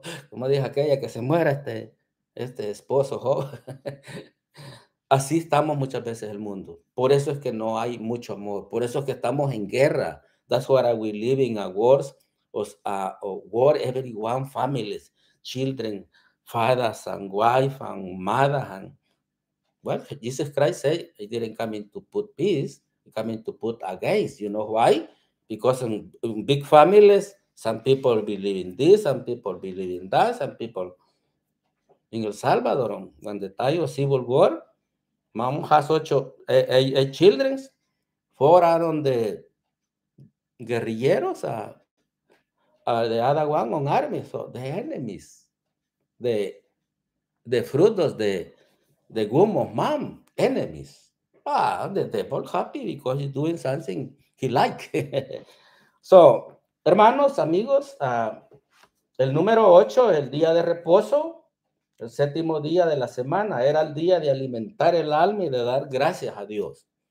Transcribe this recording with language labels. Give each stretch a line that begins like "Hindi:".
Spanish: Como dijo aquella, que se muera este esposo joven. Así estamos muchas veces el mundo. Por eso es que no hay mucho amor. Por eso es que estamos en guerra.
English: That's why we live in a wars, war, everyone, families, children, fathers and wife and mothers and, well, Jesus Christ said, I didn't come in to put peace, I came in to put against. You know why? Because in big families, some people believe in this, some people believe in that, some people in El Salvador, when the time of civil war, mom has eight children, four are on the guerrilleros, the other one on army, so the enemies, the frutos, the womb of mom, enemies. Ah, the devil happy because he's doing something he like. So,
Spanish: hermanos, amigos, El número 8, el día de reposo, el séptimo día de la semana, era el día de alimentar el alma y de dar gracias a Dios.